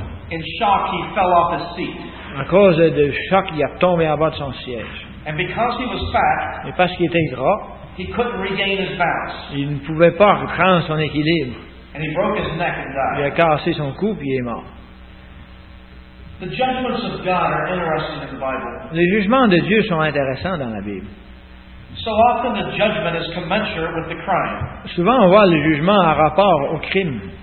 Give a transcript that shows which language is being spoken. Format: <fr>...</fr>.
<en>in shock, he fell off his seat.</en> <fr>À cause du choc, il a tombé en bas de son siège.</fr> <en>And because he was fat,</en> <fr>et parce qu'il était gras,</fr> <en>he couldn't regain his balance.</en> <fr>Il ne pouvait pas reprendre son équilibre.</fr> <en>And he broke his neck and died.</en> <fr>Il a cassé son cou et il est mort.</fr> <en>The judgments of God are interesting in the Bible.</en> <fr>Les jugements de Dieu sont intéressants dans la Bible.</fr> <en>So often the judgment is commensurate with the crime.</en> <fr>Souvent, on voit le jugement en rapport au crime.</fr>